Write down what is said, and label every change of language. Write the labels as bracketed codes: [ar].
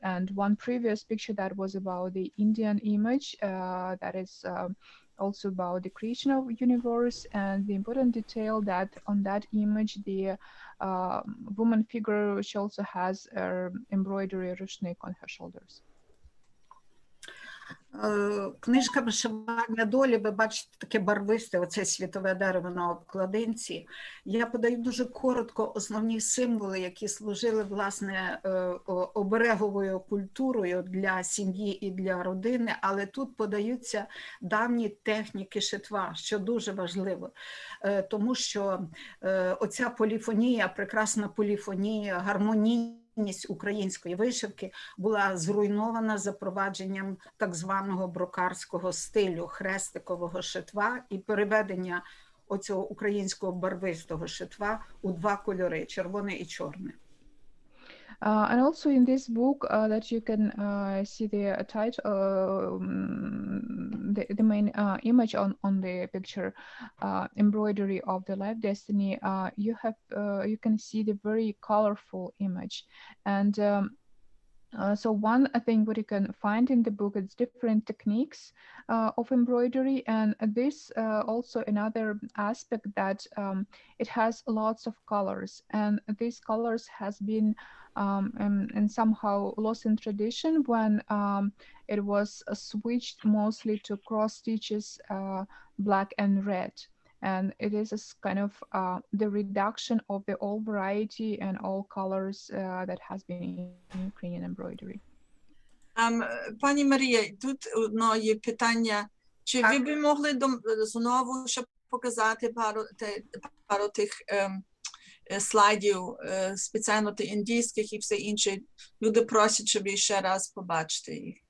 [en] And one previous picture that was about the Indian image, that is also about the creation of universe, and the important detail that on that image, the woman figure, she also has her embroidery ruchnik on her shoulders. [uk] Книжка «Вишивання долі», ви бачите таке барвисте, оце світове дерево на обкладинці. Я подаю дуже коротко основні символи, які служили, власне, обереговою культурою для сім'ї і для родини, але тут подаються давні техніки шитва, що дуже важливо, тому що оця поліфонія, прекрасна поліфонія, гармонія, української вишивки була зруйнована запровадженням так званого брокарського стилю, хрестикового шитва і переведення оцього українського барвистого шитва у два кольори – червоне і чорне. [en] And also in this book that you can see the title, the main image on the picture, Embroidery of the Life Destiny, you have you can see the very colorful image. And so one thing what you can find in the book is different techniques of embroidery, and this also another aspect that it has lots of colors, and these colors has been and somehow lost in tradition when it was switched mostly to cross stitches, black and red. And it is a kind of the reduction of the old variety and all colors that has been in Ukrainian embroidery. [uk] Пані Марія, тут одно є питання. Чи ви би могли знову ще показати пару тих слайдів спеціально тих індійських і все інше? Люди просять, щоб ще раз побачити їх.